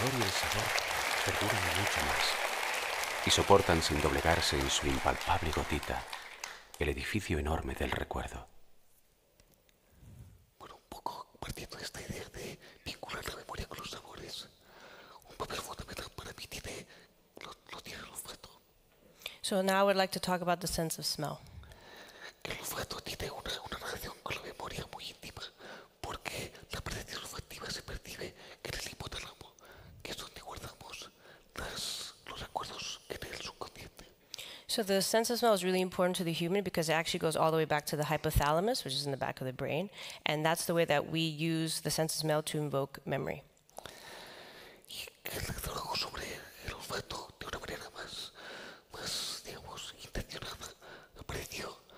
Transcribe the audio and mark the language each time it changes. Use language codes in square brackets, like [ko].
[es] sabor perduran mucho más y soportan sin doblegarse en su impalpable gotita el edificio enorme del recuerdo. Bueno, un poco partiendo de esta idea de vincular la memoria con los sabores, un papel fundamental para mí tiene lo tiene el olfato. [en] So now I'd like to talk about the sense of smell. [es] El olfato tiene una relación con la memoria muy íntima, porque la presencia olfativa se percibe en el hipotálamo, que es donde guardamos los recuerdos en el subconsciente. [en] So the sense of smell is really important to the human because it actually goes all the way back to the hypothalamus, which is in the back of the brain, and that's the way that we use the sense of smell to invoke memory. [es] Y el trabajo sobre el olfato de una manera más, digamos, intencionada, apareció.